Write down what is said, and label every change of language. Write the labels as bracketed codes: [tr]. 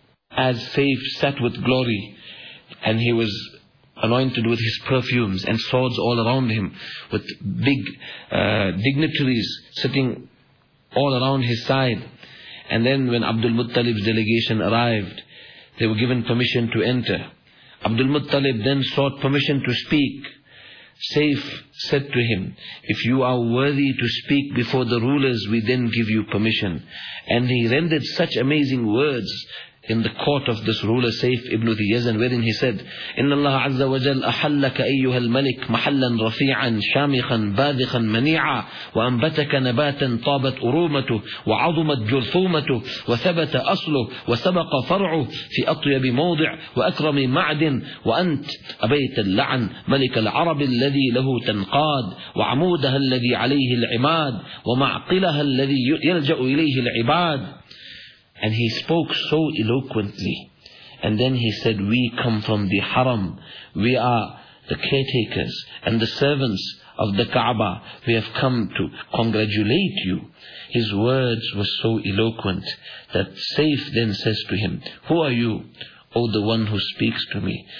[en] As Saif sat with glory, and he was anointed with his perfumes and swords all around him, with big dignitaries sitting all around his side. And then when Abdul Muttalib's delegation arrived, they were given permission to enter. Abdul Muttalib then sought permission to speak. Saif said to him, if you are worthy to speak before the rulers, we then give you permission. And he rendered such amazing words in the court of this ruler, Saif ibn Dhi Yazan, wherein he said, [ar] إِنَّ اللَّهَ عَزَّ وَجَلْ أَحَلَّكَ أَيُّهَا الْمَلِكُ مَحَلًّا رَفِيعًا شَامِخًا بَاذِخًا مَنِيعًا وَأَنْبَتَكَ نَبَاتًا طَابَتْ أُرُومَتُهُ وَعَظُمَتْ جُرْثُومَتُهُ وَثَبَتَ أَصْلُهُ وَسَبَقَ فَرْعُهُ فِي أَطْيَبِ مَوْضِعٍ وَأَكْرَمِ مَعْدٍ وَأَنْتْ أَبَيْتَ اللَّعَنْ مَلِكَ الْعَرَبِ الَّذِي لَهُ تَنْقَادُ وَعَمُودَهَا الَّذِي عَلَيْهِ الْعِمَادُ وَمَعْقِلَهَا الَّذِي يَلْجَأُ إِلَيْهِ الْعِبَادُ. [en] And he spoke so eloquently. And then he said, we come from the haram. We are the caretakers and the servants of the Kaaba. We have come to congratulate you. His words were so eloquent that Saif then says to him, who are you, O the one who speaks to me?